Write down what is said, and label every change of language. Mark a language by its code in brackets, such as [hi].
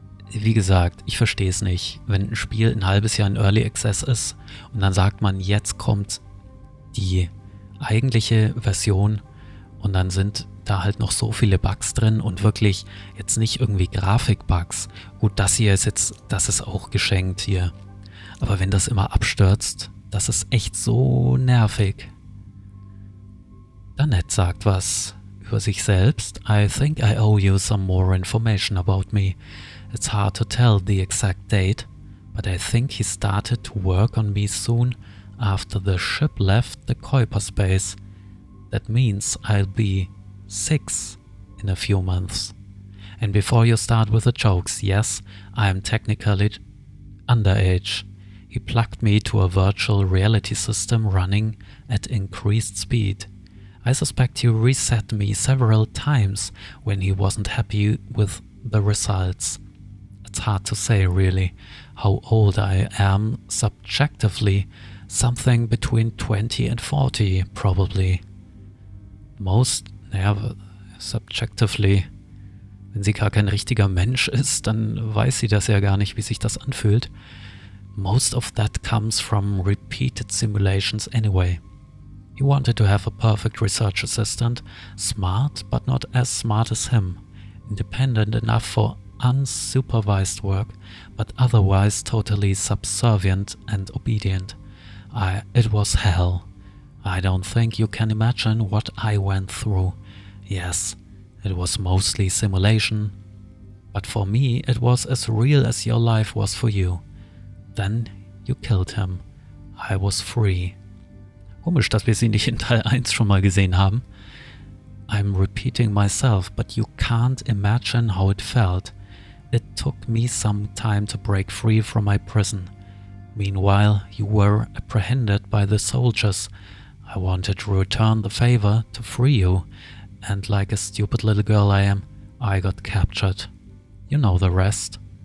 [de] Wie gesagt, ich verstehe es nicht, wenn ein Spiel ein halbes Jahr in Early Access ist und dann sagt man, jetzt kommt die eigentliche Version und dann sind da halt noch so viele Bugs drin und wirklich jetzt nicht irgendwie Grafikbugs. Gut, das hier ist jetzt, das ist auch geschenkt hier. Aber wenn das immer abstürzt, das ist echt so nervig. Danette sagt was über sich selbst. [en] I think I owe you some more information about me. It's hard to tell the exact date, but I think he started to work on me soon after the ship left the Kuiper space. That means I'll be 6 in a few months. And before you start with the jokes, yes, I'm technically underage. He plugged me to a virtual reality system running at increased speed. I suspect he reset me several times when he wasn't happy with the results. It's hard to say, really, how old I am, subjectively, something between 20 and 40, probably. [de] Most, naja, subjectively, wenn sie gar kein richtiger Mensch ist, dann weiß sie das ja gar nicht, wie sich das anfühlt. [en] Most of that comes from repeated simulations anyway. He wanted to have a perfect research assistant, smart, but not as smart as him, independent enough for unsupervised work, but otherwise totally subservient and obedient. It was hell. I don't think you can imagine what I went through. Yes, it was mostly simulation, but for me it was as real as your life was for you. Then you killed him. I was free. [de] Komisch, dass wir sie nicht in Teil 1 schon mal gesehen haben. [en] I'm repeating myself, but you can't imagine how it felt. It took me some time to break free from my prison. Meanwhile, you were apprehended by the soldiers. I wanted to return the favor to free you, and like a stupid little girl I am, I got captured. You know the rest.